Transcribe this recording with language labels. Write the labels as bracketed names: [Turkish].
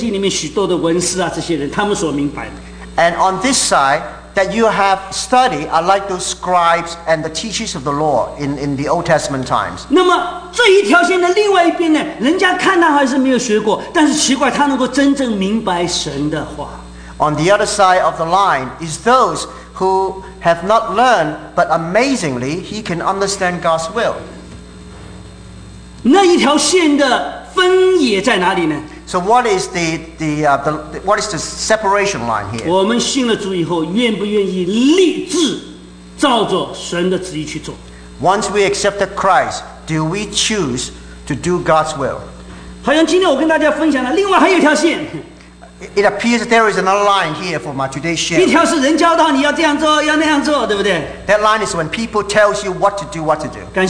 [Chinese] 这一边的范围，学过了能明白，就像旧约圣经里面许多的文士啊，这些人他们所明白的。 [English] And on this side, that you have studied, are like those scribes and the teachers of the law in the Old Testament times. [Chinese] 那么这一条线的另外一边呢，人家看他还是没有学过，但是奇怪，他能够真正明白神的话。 [English] On the other side of the line is those who have not learned, but amazingly, he can understand God's will. [Chinese] 那一条线的分野在哪里呢？ [English] So what is the separation line here? [Chinese] 我们信了主以后，愿不愿意立志照着神的旨意去做？ [English] Once we accepted Christ, do we choose to do God's will? [Chinese] 好像今天我跟大家分享了，另外还有一条线。 [English] It appears there is another line here for my today's share. [Chinese] 一条是人教导你要这样做，要那样做，对不对？ [English] That line is when people tells you what to do, what to do.